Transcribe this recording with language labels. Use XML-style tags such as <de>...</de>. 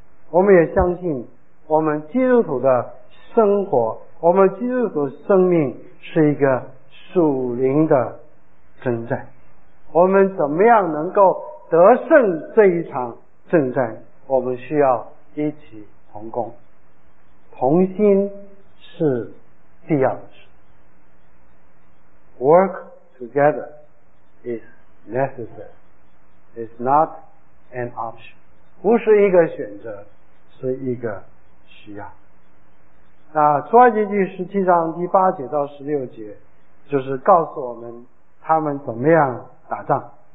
<zh>我们也相信我们基督徒的生活，我们基督徒生命是一个属灵的征战。我们怎么样能够得胜这一场征战？我们需要一起同工，同心是必要的事。</zh> <en>Work together is necessary. It's not an option.</en> <zh>不是一个选择，是一个需要。那出埃及记十七章第八节到十六节就是告诉我们他们怎么样打仗。</zh>